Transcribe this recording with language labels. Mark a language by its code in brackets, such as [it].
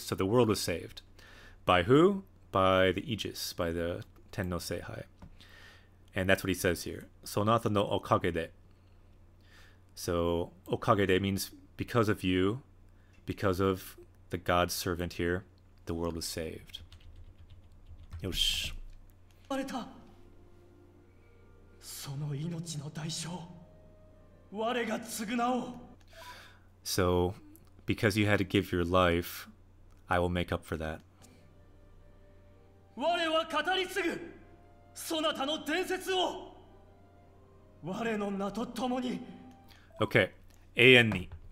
[en] So the world was saved. By who? By the Aegis, by the Ten no Seihai. And that's what he says here. [ja] Sonata no okage de. [en] So okage de means because of you, because of the God's servant here, the world was saved. [ja] よし。生まれた。その命の代償、我が償おう。 [en] So, because you had to give your life, I will make up for that. [ja] 我は語り継ぐ、そなたの伝説を。我の名とともに。 [en] Okay, A N E.